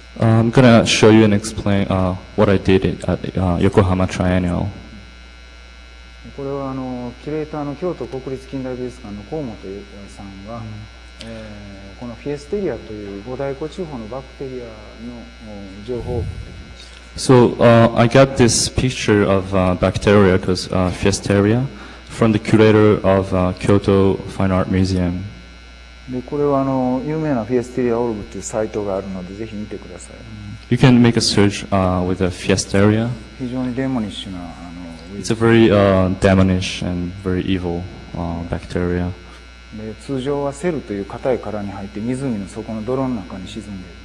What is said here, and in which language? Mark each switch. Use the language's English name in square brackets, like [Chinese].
[English] I'm going to show you and explain what I did at Yokohama Triennial. [Japanese] これはキュレーターの京都国立近代美術館の河本さんが、このフィエステリアという五大湖地方のバクテリアの情報を送ってきました。 [English] So I got this picture of bacteria called Fiesteria from the curator of Kyoto Fine Art Museum. [Japanese] でこれは有名なフィエステリアオルグというサイトがあるのでぜひ見てください。 [English] You can make a search with a Fiesteria. [Japanese] 非常にデモニッシュな [English] It's a very demonish and very evil bacteria. [Japanese] で通常はセルという硬い殻に入って湖の底の泥の中に沈んでいる。